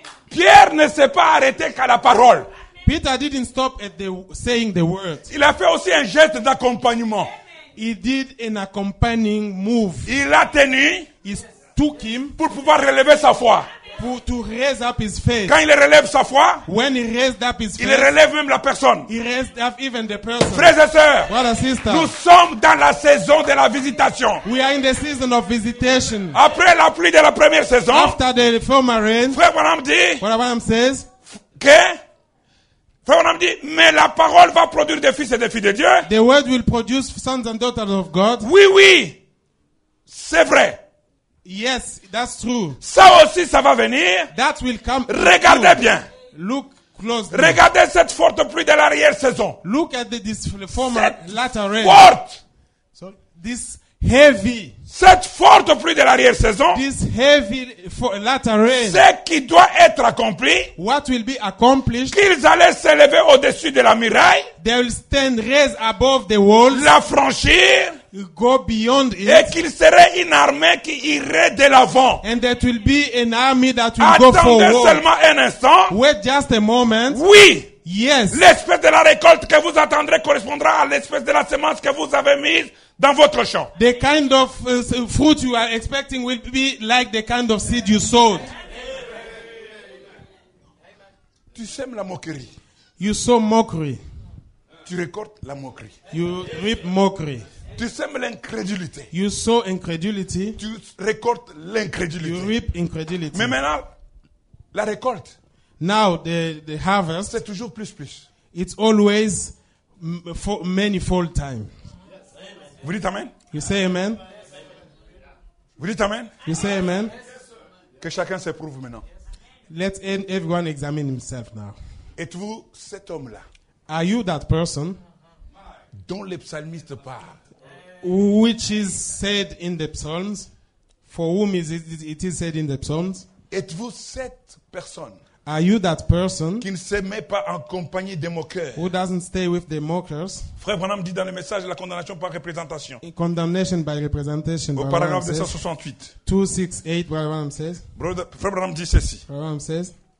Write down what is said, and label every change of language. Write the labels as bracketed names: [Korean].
[French] Pierre ne s'est pas arrêté qu'à la parole. [English] Peter didn't stop at the saying the word. [French] Il a fait aussi un geste d'accompagnement. [English] He did an accompanying move. [French] Il l'a tenu. [English] He took him [French] pour pouvoir relever sa foi. [English] To raise up his faith. [French] Quand il relève sa foi, [English] when he raised up his faith, [French] il relève même la personne. [English] He raised up even the person. [French] Frères et sœurs, [English] brother, sister, [French] nous sommes dans la saison de la visitation. [English] We are in the season of visitation. [French] Après la pluie de la première saison, [English] after the former rain, [French] Frère Branham dit, [English] Frère Branham says, [French] que Frère Branham dit, mais la parole va produire des fils et des filles de Dieu. [English] The word will produce sons and daughters of God. [French] Oui, oui, c'est vrai. [English] Yes, that's true. [French] Ça aussi, ça va venir. [English] That will come. [French] Regardez [English] through. [French] Bien. [English] Look closely. [French] Regardez cette forte pluie de l'arrière saison. [English] Look at this former latter rain. [French] Forte. [English] So this heavy. [French] Cette forte pluie de l'arrière saison. [English] This heavy latter rain. [French] Ce qui doit être accompli. [English] What will be accomplished? [French] Qu'ils allaient s'élever au-dessus de la muraille. [English] They will stand raised above the walls. [French] La franchir. [English] Go beyond it. [French] Et qu'il serait une armée qui irait de l'avant. [English] And that will be an army that will go forward. [French] Attendez seulement un instant. [English] Wait just a moment. [French] Oui. [English] Yes. [French] L'espèce de la récolte que vous attendrez correspondra à l'espèce de la semence que vous avez mise dans votre champ. [English] The kind of fruit you are expecting will be like the kind of seed you sowed. [French] Tu sèmes la moquerie. [English] You sow mockery. [French] Tu récoltes la moquerie. [English] You reap mockery. [French] Tu sèmes l'incrédulité. [English] You sow incredulity. [French] Tu récoltes l'incrédulité. [English] You reap incredulity. [French] Mais maintenant, la récolte. [English] Now the harvest. [French] C'est toujours plus. [English] It's always for manyfold time. Yes, [French] vous dites amen. [English] You say amen. [French] Vous dites amen. [English] You say amen. [French] Que chacun s'éprouve maintenant. [English] Let everyone examine himself now. [French] Êtes-vous cet homme-là? [English] Are you that person? [French] Dont les psalmistes parlent. [English] Which is said in the Psalms. For whom is it is said in the Psalms. [French] Êtes-vous cette personne? [English] Are you that person? [French] Qui ne se met pas en compagnie des moqueurs? [English] Who doesn't stay with the mockers? [French] Frère Branham dit dans le message la condamnation par représentation. [English] In condemnation by representation. [French] Au paragraphe 268. [English] 268, Frère Branham says. [French] Frère Branham dit ceci. [English] Frère Branham says.